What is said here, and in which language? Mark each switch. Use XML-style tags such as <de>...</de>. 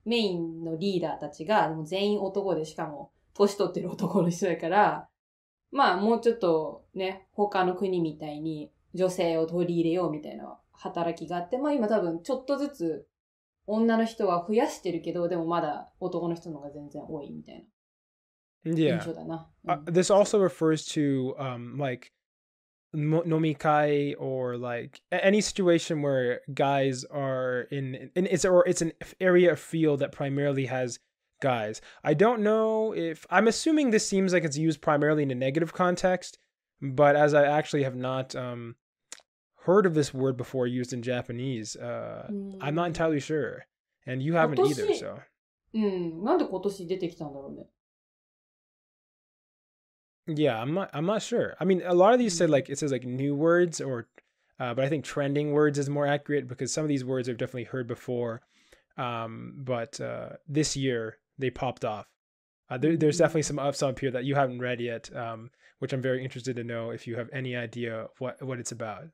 <ja>メインのリーダーたちが全員男で、しかも年取ってる男の人だから、まあもうちょっとね、他の国みたいに女性を取り入れようみたいな働きがあって、まあ今多分ちょっとずつ女の人は増やしてるけど、でもまだ男の人の方が全然多いみたいな印象だな。Yeah.</ja> <en>This also refers to like 飲み会 or like any situation where guys are in it's, or it's an area of field that primarily has guys. I don't know if, I'm assuming this seems like it's used primarily in a negative context, but as I actually have not heard of this word before used in Japanese, I'm not entirely sure. And you haven't either, so.</en> <ja>なんで今年出てきたんだろうね。</ja> <en>Yeah, I'm not sure. I mean, a lot of these say like, it says like new words or, but I think trending words is more accurate because some of these words I've definitely heard before. But this year they popped off. There's definitely some ups up here that you haven't read yet, which I'm very interested to know if you have any idea what it's about.</en>